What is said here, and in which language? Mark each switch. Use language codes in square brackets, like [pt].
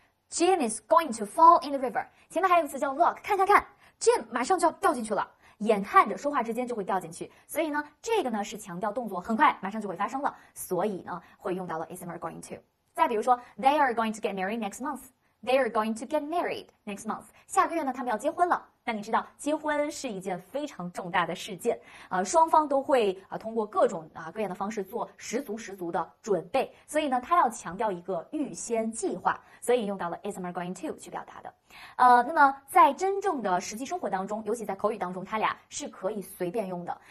[en] Jim is going to fall in the river. [zh] 前面还有一个词叫 look， 看， Jim 马上就要掉进去了，眼看着说话之间就会掉进去。所以呢，这个呢是强调动作很快马上就会发生了，所以呢会用到了 ASMR going to。 [en] 再比如说 They are going to get married next month. They are going to get married next month. [zh] 下个月呢他们要结婚了。那你知道结婚是一件非常重大的事件啊，双方都会啊通过各种啊各样的方式做十足的准备，所以呢他要强调一个预先计划，所以用到了 ASMR going to 去表达的。那么在真正的实际生活当中，尤其在口语当中，他俩是可以随便用的。